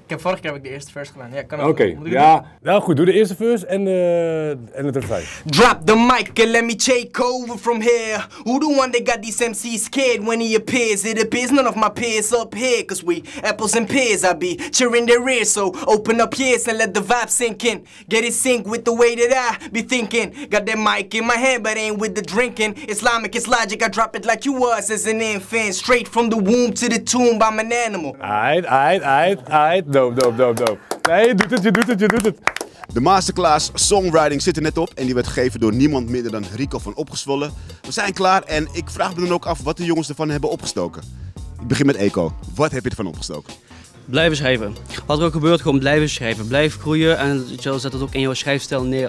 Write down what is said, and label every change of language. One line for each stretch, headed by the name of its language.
Dutch: Vorige keer heb ik de eerste verse gedaan. Ja, kan ook. Oké, okay. Ja. Doen? Nou goed, doe de eerste verse en het refrein.
English: Drop the mic and let me take over from here. Who the one that got these MCs scared when he appears? It appears none of my peers up here. Cause we apples and pears, I be cheering their ears. So open up ears and let the vibe sink in. Get it sync with the way that I be thinking. Got that mic in my hand, but ain't with the drinking. Islamic, it's logic, I drop it like you was as an infant. Straight from the womb to the tomb, I'm an animal.
Dutch: Aight. Doop. Nee, je doet het. De masterclass songwriting zit er net op en die werd gegeven door niemand minder dan Rico van Opgezwollen. We zijn klaar en ik vraag me dan ook af wat de jongens ervan hebben opgestoken. Ik begin met Eko. Wat heb je ervan opgestoken? Blijven schrijven. Wat er ook gebeurt, gewoon blijven schrijven. Blijf groeien en zet dat ook in jouw schrijfstijl neer.